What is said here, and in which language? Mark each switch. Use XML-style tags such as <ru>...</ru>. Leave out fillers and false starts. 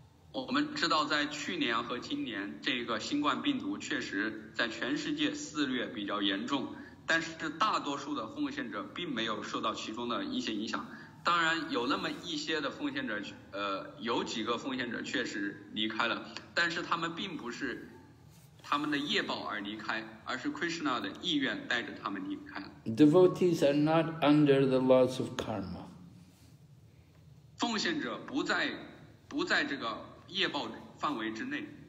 <zh>我们知道在去年和今年这个新冠病毒确实在全世界肆虐比较严重，但是大多数的奉献者并没有受到其中的一些影响，当然有那么一些的奉献者，有几个奉献者确实离开了，但是他们并不是他们的业报而离开，而是 Krishna 的意愿带着他们离开。</zh> <en>Devotees are not under the laws of karma.</en> <zh>奉献者不在这个业报范围之内。</zh>